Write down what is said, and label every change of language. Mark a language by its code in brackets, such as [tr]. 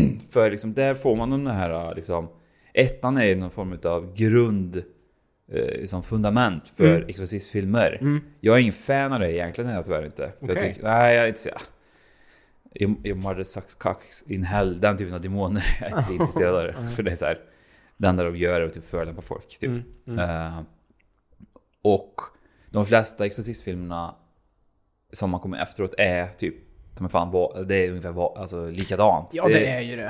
[sv] För liksom, där får man den här... liksom, ettan är någon form av grund, liksom fundament för exorcistfilmer. Mm. Jag är ingen fan av det egentligen, jag tyvärr inte. Okay. Jag tycker, nej, jag är inte så. [en] Your mother sucks cocks in hell. [sv] Den typen av demoner är inte så intresserad av det. För det är så här, den där de gör är att typ förlämpa folk. Typ. Mm. Mm. Och de flesta exorcistfilmerna som man kommer efteråt är typ men fan, det är ungefär alltså, likadant. Ja, det är ju det.